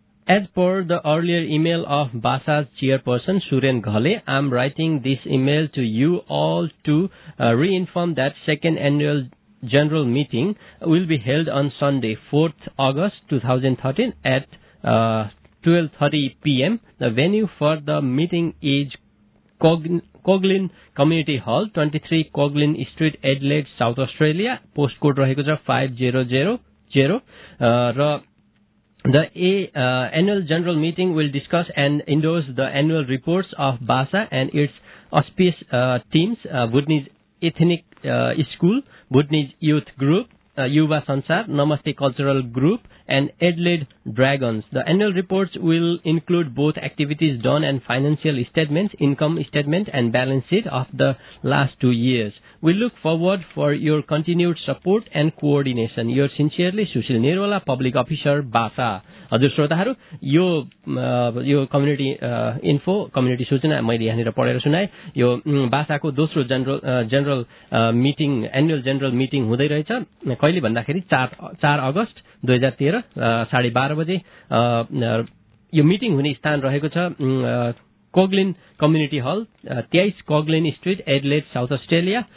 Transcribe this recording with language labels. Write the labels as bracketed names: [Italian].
[English] As per the earlier email of BASA's chairperson Suren Ghale I am writing this email to you all to reinform that second annual general meeting will be held on Sunday 4 August 2013 at 12:30 PM The venue for the meeting is Coghlan Community Hall, 23 Coghlan Street, Adelaide, South Australia. Postcode [Nepali] रहेको छ [English] 5000 र the annual general meeting will discuss and endorse the annual reports of BASA and its auspicious teams, Bhutanese Ethnic School, Bhutanese Youth Group, Yuva Sansar, Namaste Cultural Group, and Adelaide Dragons. The annual reports will include both activities done and financial statements, income statement and balance sheet of the last 2 years. We look forward for your continued support and coordination. Yours sincerely, Sushil Nirwala, Public Officer, Basa. [Nepali] हजुर श्रोताहरू, यो यो community info community सूचना मैले यहाँनिर पढेर सुनाएँ. यो बासाको दोस्रो general meeting, annual general meeting हुँदै रहेछ. कहिले भन्दाखेरि चार अगस्त 2013 12:30 यो मिटिङ हुने स्थान रहेको छ, कोगलिन community hall, 23 कोगलिन street, Adelaide, south Australia.